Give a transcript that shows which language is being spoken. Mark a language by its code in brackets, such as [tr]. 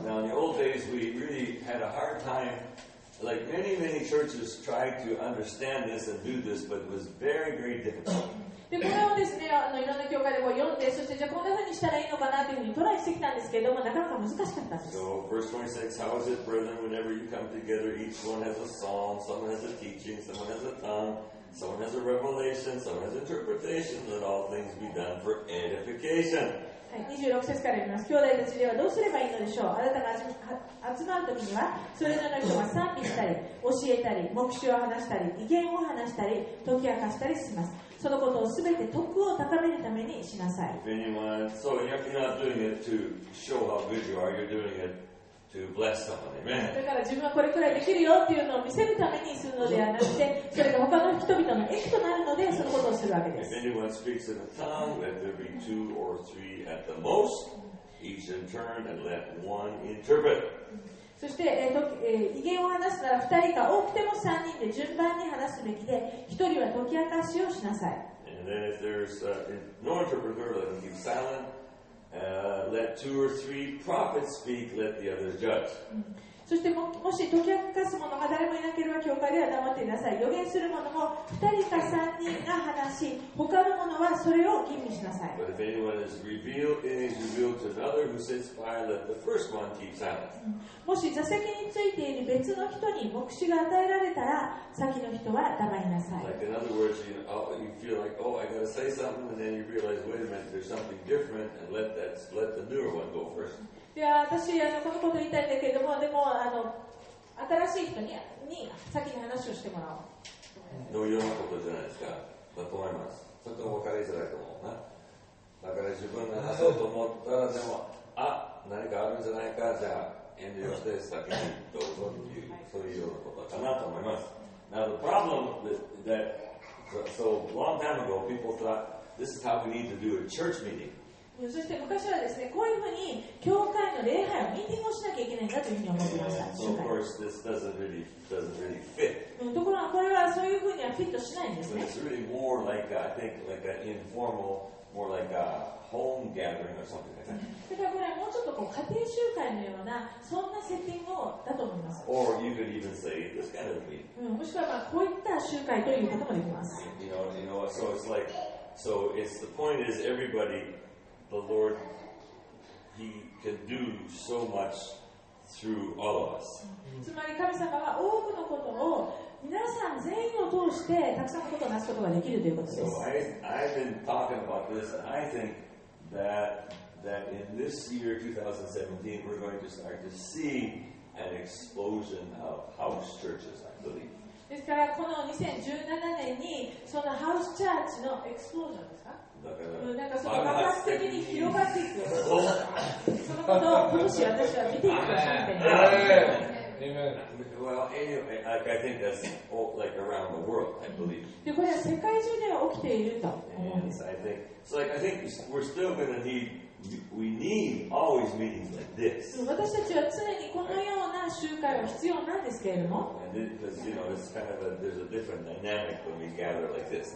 [en] Now in the old days we really had a hard time, like many churches tried to understand this and do this, but it was very, very difficult. [ja] でこれをですね、いろんな教会でこう読んで、そしてじゃあこんな風にしたらいいのかなというふうにトライしてきたんですけれども、なかなか難しかったんです。 [en] So verse 26, how is it, brethren, whenever you come together, each one has a psalm, someone has a teaching, someone has a tongue, someone has a revelation, someone has interpretation, let all things be done for edification. [ja] 26節から見ます。兄弟たちではどうすればいいのでしょう。あなたが集まるときにはそれぞれの人が賛美したり教えたり黙示を話したり威厳を話したり解き明かしたりします。そのことをすべて徳を高めるためにしなさい。 [en] If anyone, so you're not doing it to show how good you are, you're doing itTo bless someone, amen. [ja] だから自分はこれくらいできるよっていうのを見せるためにするのではなくて、それが他の人々の益となるので、そのことをするわけです。 [en] If anyone speaks in a tongue, let there be two or three at the most, each in turn, and let one interpret. [ja] そして、威厳を話すなら二人か多くても三人で順番に話すべきで、一人は解き明かしをしなさい。 [en] And then if there's no interpreter, let him keep silent.Let two or three prophets speak, let the others judge. [ja] そして もし解き明かす者が誰もいなければ教会では黙っていなさい。予言する者も2人か3人が話し、他の者はそれを吟味しなさい。 [en] But if anyone is revealed, it is revealed to another who sits by, let the first one keep silent. [ja] もし座席についている別の人に牧師が与えられたら、先の人は黙りなさい。 [en] Like in other words, you feel like, oh, I gotta say something, and then you realize, wait a minute, there's something different, and let the newer one go first. [ja] いや私あのこのこと言いたいんだけども、でもあの新しい人 に先に話をしてもらおう。同様のことじゃないですか。だと思います。ちょっと分かりづらいと思うな。だから自分が話そうと思ったら、でも、あ、何かあるんじゃないか、じゃあ遠慮して先にどうぞという、そういうようなことかなと思います。 [en] Now the problem that, so long time ago, people thought, this is how we need to do a church meeting. [ja] そして昔はですね、こういうふうに教会の礼拝をミーティングをしなきゃいけないんだというふうに思ってました。 [en] Yeah, of course, this doesn't really fit. [ja] ところがこれはそういうふうにはフィットしないんですね。 [en] It's really more like, I think, like an informal, more like a home gathering or something like that. [ja] だからこれはもうちょっとこう家庭集会のような、そんなセッティングだと思います。 [en] Or you could even say this kind of meeting. [ja] もしくはまあこういった集会ということもできます。 [en] You know, so it's like, so it's the point is everybody. The Lord, He can do so much through all of us. [ja] つまり神様は多くのことを皆さん全員を通してたくさんのことをなすことができるということです。 [en] So I've been talking about this, and I think that in this year 2017 we're going to start to see an explosion of house churches, I believe. [ja] ですからこの2017年にそのハウスチャーチのエクスプロージョンですか？だからなんかその爆発的に広がっていく。そのことを今年私は見ていきましょうみたいな。 [en] Well, anyway, I think that's all, like around the world, I believe. [ja] でこれは世界中では起きていると思うんです。 [en] And I think we're still going to need. We need always meetings like this. [ja] 私たちは常にこのような集会は必要なんですけれども。 [en] Because you know, it's kind of a, there's a different dynamic when we gather like this.